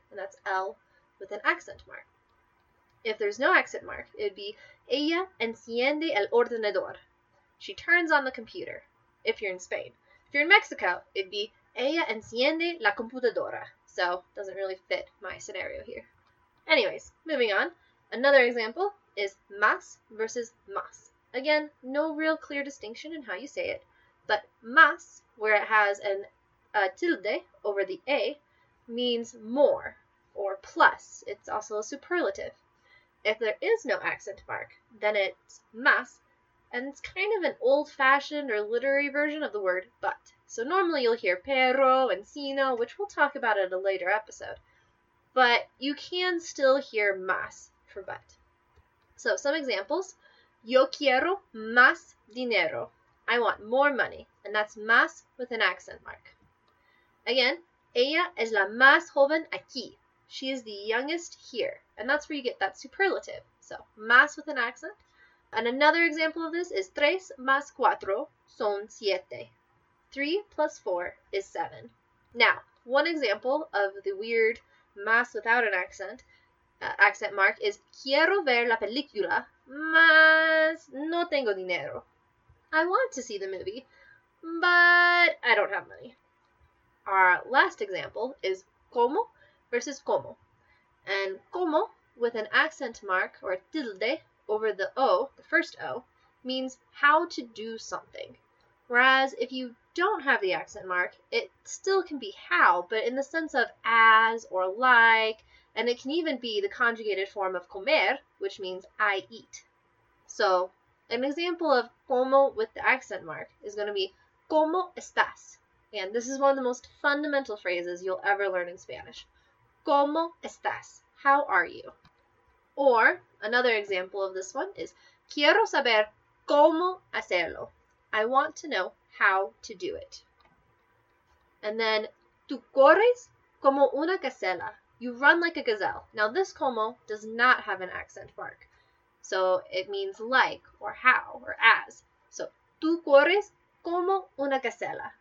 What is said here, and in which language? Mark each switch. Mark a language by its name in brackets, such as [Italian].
[English] And that's L with an accent mark. If there's no accent mark, it would be [Spanish] ella enciende el ordenador. [English] She turns on the computer, if you're in Spain. If you're in Mexico, it'd be [Spanish] ella enciende la computadora. [English] So, doesn't really fit my scenario here. Anyways, moving on. Another example is más versus más. Again, no real clear distinction in how you say it, but más, where it has a tilde over the A, means more or plus. It's also a superlative. If there is no accent mark, then it's más, and it's kind of an old-fashioned or literary version of the word but. So normally you'll hear perro and sino, which we'll talk about in a later episode. But you can still hear más for but. So some examples. [Spanish] Yo quiero más dinero. [English] I want more money. And that's más with an accent mark. [Spanish] Again, ella es la más joven aquí. [English] She is the youngest here. And that's where you get that superlative. So más with an accent. And another example of this is [Spanish] tres más cuatro son siete. [English] 3 plus 4 is 7. Now, one example of the weird más without an accent, accent mark is [Spanish] quiero ver la película más no tengo dinero. [English] I want to see the movie, but I don't have money. Our last example is cómo versus cómo. And cómo with an accent mark or tilde over the O, the first O, means how to do something. Whereas if you don't have the accent mark, it still can be how, but in the sense of as or like, and it can even be the conjugated form of comer, which means I eat. So an example of como with the accent mark is going to be [Spanish] como estás. [English] And this is one of the most fundamental phrases you'll ever learn in Spanish. [Spanish] Como estás? [English] How are you? Or another example of this one is [Spanish] quiero saber cómo hacerlo. [English] I want to know how to do it. And then [Spanish] tú corres como una gacela. [English] You run like a gazelle. Now this como does not have an accent mark. So it means like or how or as. So [Spanish] tú corres como una gacela.